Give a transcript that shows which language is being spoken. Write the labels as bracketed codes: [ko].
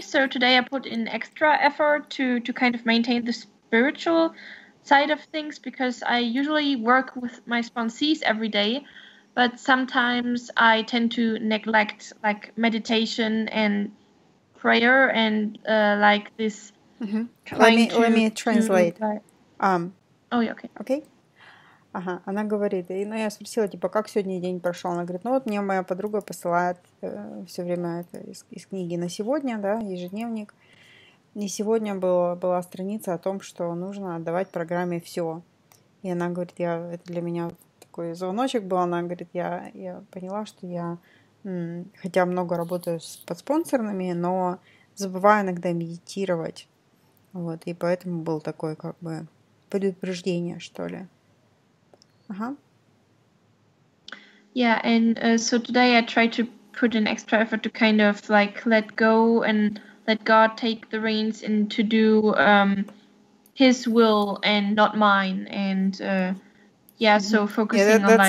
[en] So today I put in extra effort to kind of maintain the spiritual side of things, because I usually work with my sponsees every day. But sometimes I tend to neglect like meditation and prayer and like this. Mm-hmm. Let me translate. Oh, yeah, okay. Okay. [ru] Ага, она говорит, и, ну, я спросила, типа, как сегодня день прошел? Она говорит, ну, вот мне моя подруга посылает все время это из книги на сегодня, да, ежедневник. И сегодня была страница о том, что нужно отдавать программе все. И она говорит, это для меня такой звоночек был, она говорит, я поняла, что я, хотя много работаю с подспонсорными, но забываю иногда медитировать, вот, и поэтому был такой, как бы, предупреждение, что ли. Ага. [en] Yeah, and so today I tried to put an extra effort to kind of, like, let go and let God take the reins and to do his will and not mine, and yeah, so focusing